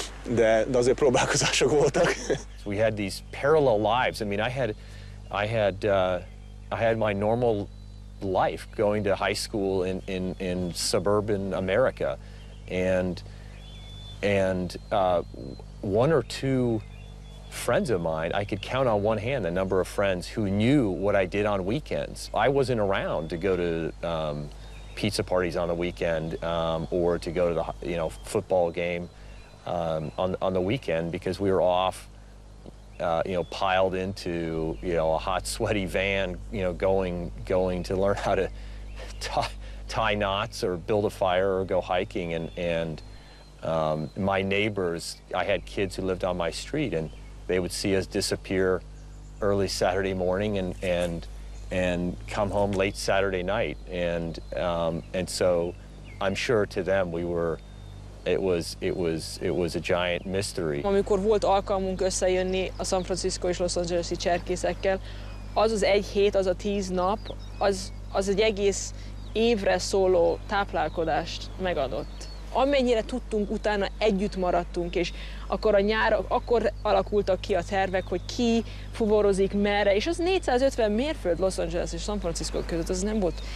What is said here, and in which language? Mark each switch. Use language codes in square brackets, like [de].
[hu] De azért próbálkozások voltak. [en] We had these parallel lives. I mean, I had my normal life going to high school in suburban America, and one or two friends of mine, I could count on one hand the number of friends who knew what I did on weekends. I wasn't around to go to pizza parties on the weekend or to go to the football game. On the weekend, because we were off, piled into a hot, sweaty van, going to learn how to tie knots or build a fire or go hiking, and my neighbors, I had kids who lived on my street, and they would see us disappear early Saturday morning and come home late Saturday night, and so I'm sure to them we were. It was a giant mystery. [hu] Amikor volt alkalmunk összejönni a San Francisco és Los Angeles-i cserkészekkel, az az egy hét, az a 10 nap, az egy egész évre szóló táplálkozást megadott. amennyire tudtunk, utána együtt maradtunk, és akkor a nyára, akkor alakultak ki a tervek, hogy ki fuvorozik merre, és az 450 mérföld Los Angeles és San Francisco között, az nem volt.